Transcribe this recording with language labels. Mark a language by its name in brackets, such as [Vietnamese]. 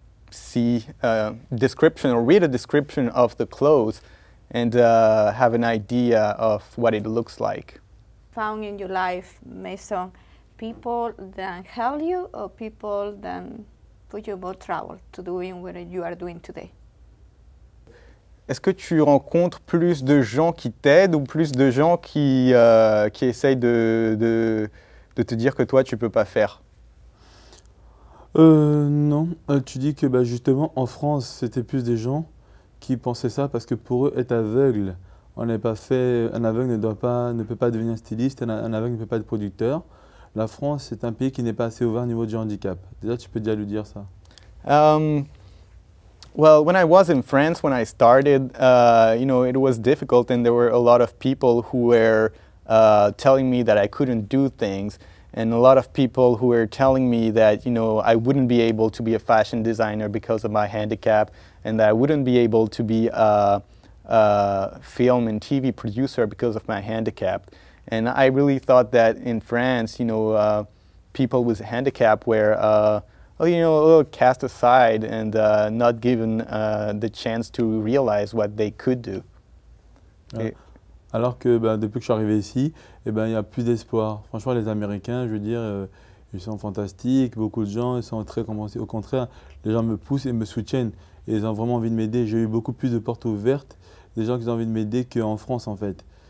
[English] see a description or read a description of the clothes and have an idea of what it looks like. Found in your life, Mason, people that help you or people that put you more trouble to doing what you are doing today? [French] Est-ce que tu rencontres plus de gens qui t'aident ou plus de gens qui essayent de te dire que toi, tu ne peux pas faire? Non. Tu dis que bah, justement, en France, c'était plus des gens qui pensaient ça parce que pour eux, être aveugle, on n'est pas fait. Un aveugle ne peut pas devenir styliste, un aveugle ne peut pas être producteur. La France, c'est un pays qui n'est pas assez ouvert au niveau du handicap. Déjà, tu peux déjà lui dire ça. [English] Well, when I was in France, when I started, you know, it was difficult and there were a lot of people who were telling me that I couldn't do things, and a lot of people who were telling me that, you know, I wouldn't be able to be a fashion designer because of my handicap, and that I wouldn't be able to be a film and TV producer because of my handicap. And I really thought that in France, you know, people with handicap were, a little cast aside and not given the chance to realize what they could do. Yeah. [French] Alors que depuis que je suis arrivé ici, il y a plus d'espoir. Franchement, les Américains, je veux dire, ils sont fantastiques. Beaucoup de gens, ils sont très compréhensifs. Au contraire, les gens me poussent et me soutiennent. Et ils ont vraiment envie de m'aider. J'ai eu beaucoup plus de portes ouvertes, des gens qui ont envie de m'aider qu'en France, en fait.